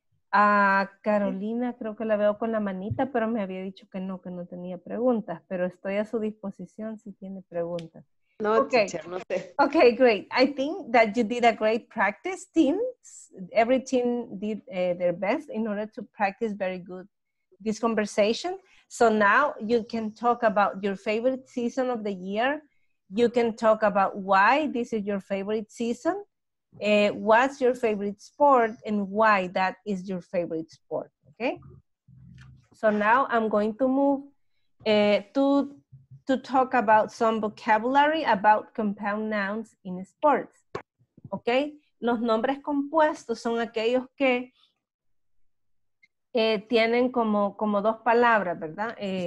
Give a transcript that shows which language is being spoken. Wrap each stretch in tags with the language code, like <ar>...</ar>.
<es>Carolina, creo que la veo con la manita, pero me había dicho que no tenía preguntas, pero estoy a su disposición si tiene preguntas.</es> <en>No, okay.</en> <es>Teacher, no sé.</es> <en>Okay, great. I think that you did a great practice, team. Every team did their best in order to practice very good this conversation. So now you can talk about your favorite season of the year. You can talk about why this is your favorite season, what's your favorite sport, and why that is your favorite sport, okay? So now I'm going to move to talk about some vocabulary about compound nouns in sports, okay?</en> <es>Los nombres compuestos son aquellos que tienen como dos palabras, ¿verdad?</es>